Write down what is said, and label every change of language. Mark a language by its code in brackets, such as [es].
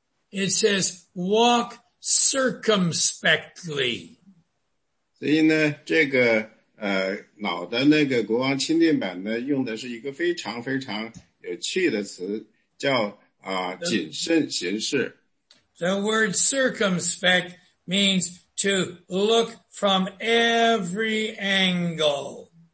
[en] It says, walk circumspectly. [zh] 所以呢，这个老的那个国王钦定版呢，用的是一个非常非常有趣的词，叫谨慎行事。 [en] The word circumspect means to look from every angle.